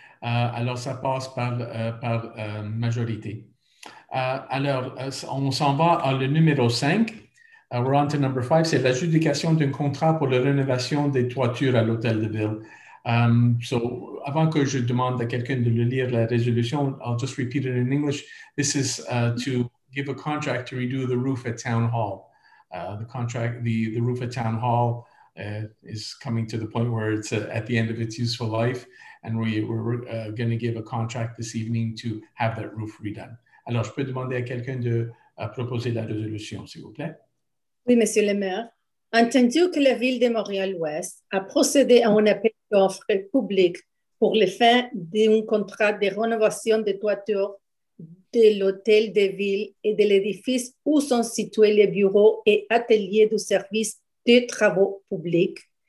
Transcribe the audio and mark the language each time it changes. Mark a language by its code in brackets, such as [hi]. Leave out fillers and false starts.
[fr] Alors, ça passe par majorité. Alors, on s'en va à le numéro 5. [en] We're on to number 5. [fr] C'est l'adjudication d'un contrat pour la rénovation des toitures à l'Hôtel de Ville. So, avant que je demande à quelqu'un de le lire la résolution, [en] I'll just repeat it in English. This is to give a contract to redo the roof at Town Hall. The roof at Town Hall is coming to the point where it's at the end of its useful life, and we're going to give a contract this evening to have that roof redone. [fr] Alors, je peux demander à quelqu'un de proposer la résolution, s'il vous plaît? Oui, Monsieur le maire. Entendu que la ville de Montréal-Ouest a procédé à un appel d'offres publiques pour les fins d'un contrat de rénovation des toitures de l'hôtel de ville et de l'édifice où sont situés les bureaux et ateliers du service de travaux publics,